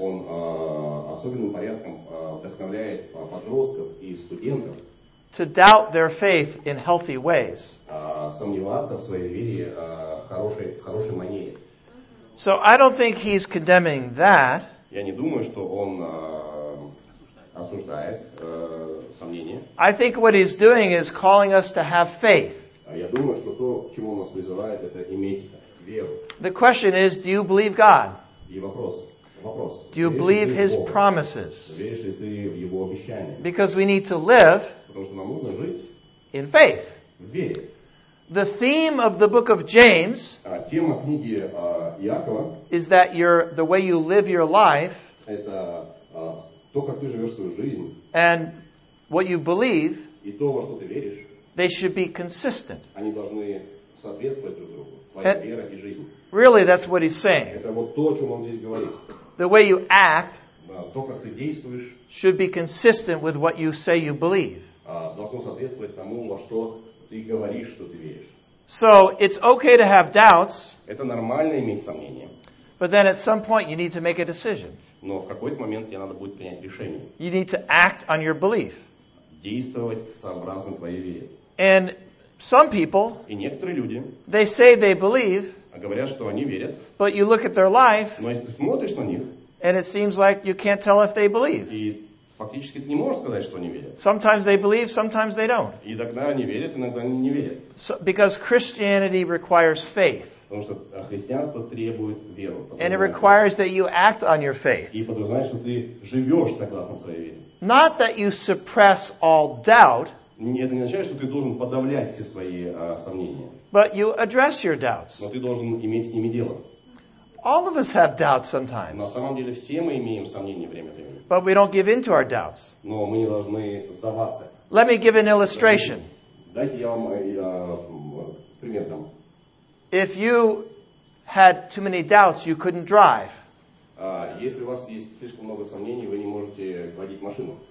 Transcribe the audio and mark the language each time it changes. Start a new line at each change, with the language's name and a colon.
Russian: Он особенным порядком вдохновляет подростков и студентов
English: to doubt their faith in healthy ways.
Russian: Сомневаться в своей вере в хорошей манере.
English: So I don't think he's condemning that.
Russian: Я не думаю, что он осуждает сомнения.
English: I think what he's doing is calling us to have faith.
Russian: Я думаю, что то, к чему он нас призывает, это иметь веру.
English: The question is, do you believe God?
Russian: И вопрос, Вопрос.
English: Do you believe his
Russian: Бога?
English: Promises?
Russian: Веришь ли ты в его обещания?
English: Because we need to live
Russian: Потому что нам нужно жить
English: in faith.
Russian: В вере.
English: The theme of the book of James
Russian: тема книги, Иакова,
English: is that your the way you live your life
Russian: это, то, как ты живешь свою жизнь,
English: and what you believe
Russian: и то, во что ты веришь,
English: they should be consistent.
Russian: Они должны соответствовать друг другу, твоя and, вера и жизнь.
English: Really, that's what he's saying.
Russian: Это вот то, о чем он здесь говорит.
English: The way you act
Russian: то, как ты действуешь,
English: should be consistent with what you say you believe.
Russian: Должно соответствовать тому, во что ты говоришь, что ты веришь.
English: So, it's okay to have doubts.
Russian: Это нормально иметь сомнения.
English: But then at some point you need to make a decision.
Russian: Но в какой-то момент тебе надо будет принять решение.
English: You need to act on your belief.
Russian: Действовать сообразно твоей вере.
English: And some people,
Russian: и некоторые люди,
English: they say they believe,
Russian: говорят, что они верят,
English: but you look at their life,
Russian: но если ты смотришь на них,
English: and it seems like you can't tell if they believe.
Russian: И фактически ты не можешь сказать, что они верят.
English: Sometimes they believe, sometimes they don't.
Russian: И иногда они верят, иногда они не верят.
English: So, because Christianity requires faith.
Russian: Потому что христианство требует веры.
English: And it requires that you act on your faith.
Russian: И подразумевает, что ты живешь согласно своей вере.
English: Not that you suppress all doubt.
Russian: Нет, это не означает, что ты должен подавлять все свои сомнения.
English: But you address your doubts.
Russian: Но ты должен иметь с ними дело.
English: All of us have doubts sometimes.
Russian: На самом деле все мы имеем сомнения время от времени.
English: But we don't give in to our doubts.
Russian: Но мы не должны сдаваться.
English: Let me give an illustration.
Russian: Дайте я вам пример дам.
English: If you had too many doubts, you couldn't drive.
Russian: Если у вас есть слишком много сомнений, вы не можете водить машину.